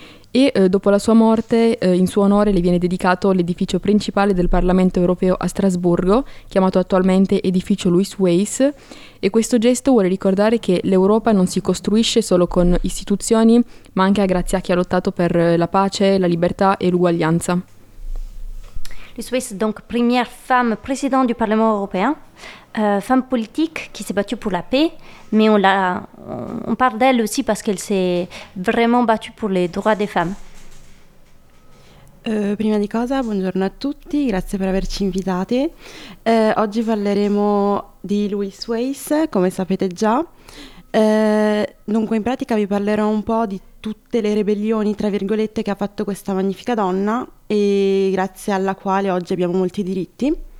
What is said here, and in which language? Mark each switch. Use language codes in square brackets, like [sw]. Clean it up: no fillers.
[it] E dopo la sua morte, in suo onore le viene dedicato l'edificio principale del Parlamento europeo a Strasburgo, chiamato attualmente Edificio Louis Weiss. E questo gesto vuole ricordare che l'Europa non si costruisce solo con istituzioni, ma anche grazie a chi ha lottato per la pace, la libertà e l'uguaglianza. [fr] Louis Weiss, donc première femme présidente du Parlement européen, femme politique qui s'est battue pour la paix, mais on parle d'elle aussi parce qu'elle s'est vraiment battue pour les droits des femmes. [it] Prima di cosa, buongiorno a tutti, grazie per averci invitate. Oggi parleremo di Louis Weiss, come sapete già. Dunque, in pratica vi parlerò un po' di tutte le ribellioni, tra virgolette, che ha fatto questa magnifica donna e grazie alla quale oggi abbiamo molti diritti.